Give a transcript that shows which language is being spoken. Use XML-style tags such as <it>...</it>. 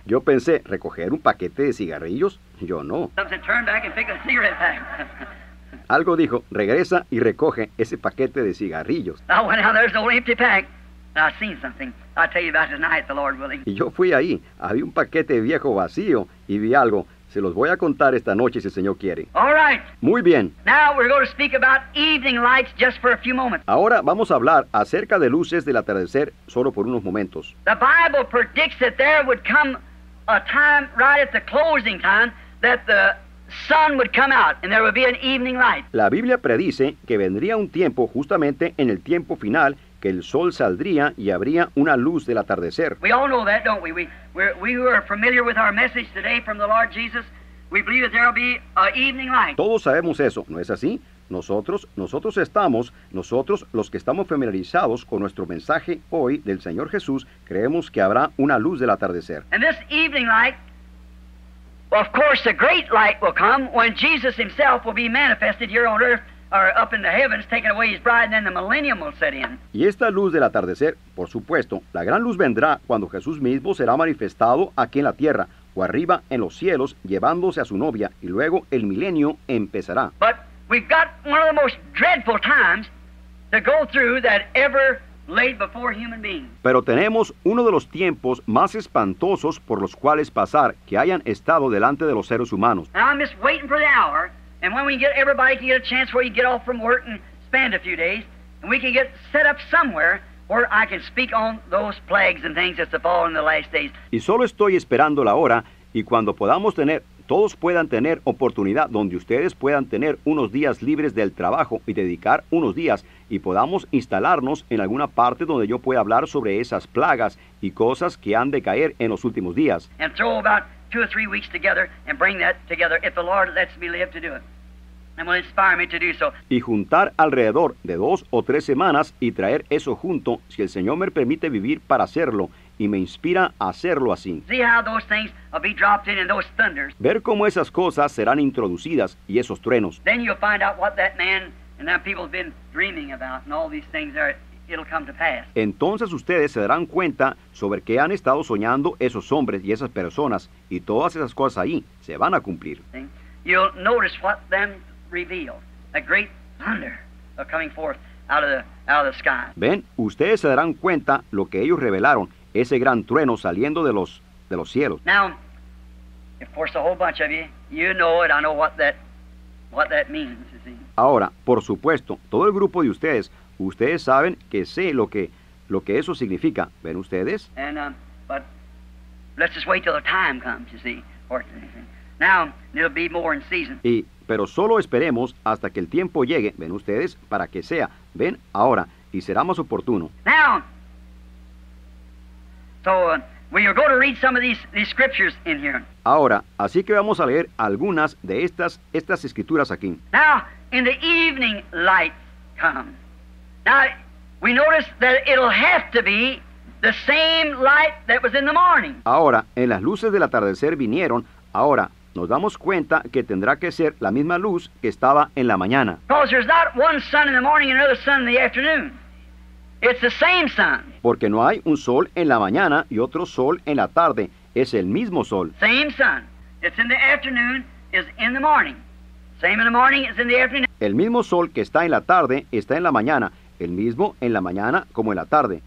<es>Yo pensé, ¿recoger un paquete de cigarrillos? Yo no.</es> <en>Something said, turn back and pick a cigarette pack.</en> <es>Algo dijo, regresa y recoge ese paquete de cigarrillos.</es> <en>I went out, there's no empty pack. I seen something. I'll tell you about tonight, the Lord willing.</en> <es>Y yo fui ahí. Había un paquete viejo vacío y vi algo. Se los voy a contar esta noche si el Señor quiere.</es> <en>All right.</en> <es>Muy bien.</es> <en>Now we're going to speak about evening lights just for a few moments.</en> <es>Ahora vamos a hablar acerca de luces del atardecer solo por unos momentos.</es> <en>The Bible predicts that there would come a time right at the closing time that the sun would come out and there would be an evening light.</en> <es>La Biblia predice que vendría un tiempo justamente en el tiempo final que el sol saldría y habría una luz del atardecer.</es> <en>We all know that, don't we? We who are familiar with our message today from the Lord Jesus, we believe that there will be an evening light.</en> <es>Todos sabemos eso, ¿no es así? Nosotros los que estamos familiarizados con nuestro mensaje hoy del Señor Jesús, creemos que habrá una luz del atardecer.</es> <en>And this evening light, well, of course, the great light will come when Jesus himself will be manifested here on earth. Are up in the heavens taking away his bride, and then the millennium will set in.</en> <es>Y esta luz del atardecer, por supuesto, la gran luz vendrá cuando Jesús mismo será manifestado aquí en la tierra o arriba en los cielos llevándose a su novia, y luego el milenio empezará.</es> <en>But we've got one of the most dreadful times to go through that ever laid before human beings.</en> <es>Pero tenemos uno de los tiempos más espantosos por los cuales pasar que hayan estado delante de los seres humanos.</es> <en>Now I'm just waiting for the hour. And when we get everybody can get a chance where you get off from work and spend a few days, and we can get set up somewhere where I can speak on those plagues and things that's fall in the last days.</en> <es>Y solo estoy esperando la hora, y cuando podamos tener, todos puedan tener oportunidad donde ustedes puedan tener unos días libres del trabajo y dedicar unos días, y podamos instalarnos en alguna parte donde yo pueda hablar sobre esas plagas y cosas que han de caer en los últimos días.</es> <en>And throw about two or three weeks together and bring that together if the Lord lets me live to do it and will inspire me to do so.</en> <es>Y juntar alrededor de dos o tres semanas y traer eso junto si el Señor me permite vivir para hacerlo y me inspira a hacerlo así.</es> <en>See how those things will be dropped in and those thunders.</en> <es>Ver cómo esas cosas serán introducidas y esos truenos.</es> <en>Then you'll find out what that man and that people have been dreaming about and all these things are. It'll come to pass.</en> <es>Entonces ustedes se darán cuenta sobre qué han estado soñando esos hombres y esas personas, y todas esas cosas ahí se van a cumplir.</es> <en>You'll notice what them reveal. A great thunder of coming forth out of the sky.</en> <es>Ven, ustedes se darán cuenta lo que ellos revelaron, ese gran trueno saliendo de los cielos.</es> <en>Now, of course, a whole bunch of you know it. I know what that means, you see.</en> <es>Ahora, por supuesto, todo el grupo de ustedes. Ustedes saben que sé lo que eso significa, ¿ven ustedes?</es> <en>And, but let's just wait till the time comes, you see. Or, now, it'll be more in season.</en> <es>Pero solo esperemos hasta que el tiempo llegue, ¿ven ustedes? Para que sea, ¿ven? Ahora, y será más oportuno.</es> <en>Now, we are going to read some of these scriptures in here.</en> <es>Ahora, así que vamos a leer algunas de estas escrituras aquí.</es> <en>Now, in the evening light comes. Now, we notice that it'll have to be the same light that was in the morning.</en> <es>Ahora, en las luces del atardecer vinieron. Ahora, nos damos cuenta que tendrá que ser la misma luz que estaba en la mañana.</es> <en>Because there's not one sun in the morning and another sun in the afternoon. It's the same sun.</en> <es>Porque no hay un sol en la mañana y otro sol en la tarde. Es el mismo sol.</es> <en>Same sun. It's in the afternoon, is in the morning. Same in the morning, it's in the afternoon.</en> <es>El mismo sol que está en la tarde está en la mañana. El mismo en la mañana como en la tarde.</es>